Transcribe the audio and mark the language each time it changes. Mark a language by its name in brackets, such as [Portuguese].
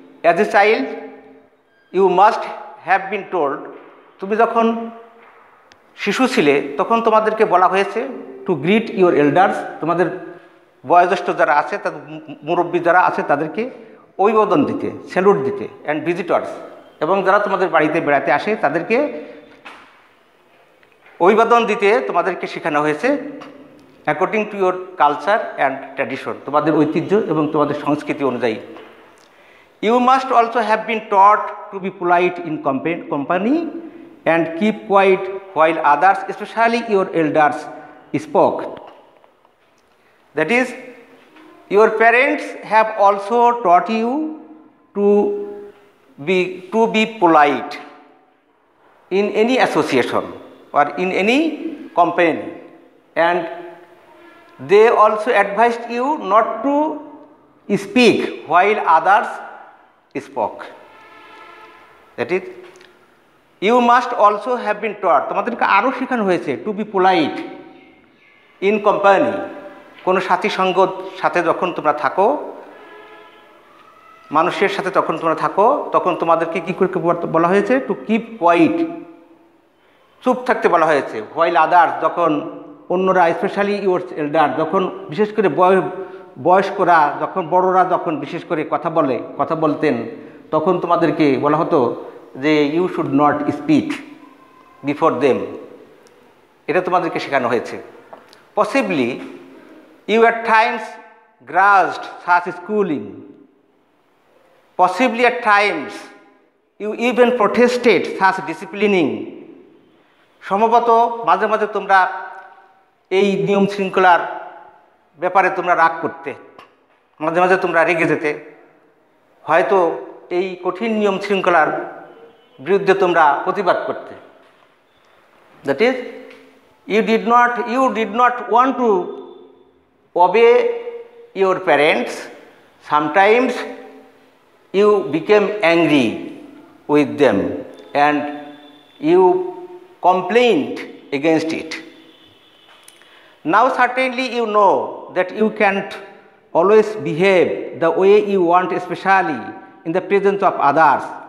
[English] as a child you must have been told, [Bangla] তুমি যখন শিশু ছিলে তখন তোমাদেরকে বলা হয়েছে [English] to greet your elders, [Bangla] তোমাদের বয়োজ্যেষ্ঠ যারা আছে তাদের মুরব্বী যারা আছে তাদেরকে অভিবাদন দিতে, স্যালুট দিতে [English] and visitors [Bangla] এবং যারা তোমাদের বাড়িতে বেড়াতে আসে তাদেরকে অভিবাদন দিতে তোমাদেরকে শেখানো হয়েছে [English] according to your culture and tradition, [Bangla] তোমাদের ঐতিহ্য এবং তোমাদের সংস্কৃতি অনুযায়ী। [English] You must also have been taught to be polite in company and keep quiet while others especially your elders spoke. That is Your parents have also taught you to be polite in any association or in any company, and they also advised you not to speak while others spoke. That is, you must also have been taught, [Bangla] tomaderke aro shekhano hoyeche, [English] to be polite in company. [Bangla] কোনো সাথী সঙ্গত সাথে যখন তোমরা থাকো, মানুষের সাথে যখন তোমরা থাকো, তখন তোমাদেরকে কী করে বলা হয়েছে? [English] to keep quiet, [Bangla] চুপ থাকতে বলা হয়েছে। [English] while others, [Bangla] যখন অন্যরা, [English] especially your elder, [Bangla] যখন বিশেষ করে বয়স্করা, যখন বড়রা যখন বিশেষ করে কথা বলতেন, তখন তোমাদেরকে বলা হতো যে [English] You should not speak before them. [Bangla] এটা তোমাদেরকে শেখানো হয়েছে। [English] Possibly you at times grasped such schooling. Possibly at times you even protested such disciplining. [Bangla] সম্ভবত মাঝে মাঝে তোমরা এই নিয়ম শৃঙ্খলার ব্যাপারে তোমরা রাগ করতে, মাঝে মাঝে তোমরা রেগে যেতে, হয়তো এই কঠিন নিয়ম শৃঙ্খলার বিরুদ্ধে তোমরা প্রতিবাদ করতে। [English] That is, you did not want to obey your parents. Sometimes you became angry with them and you complained against it. Now certainly you know that you can't always behave the way you want, especially in the presence of others.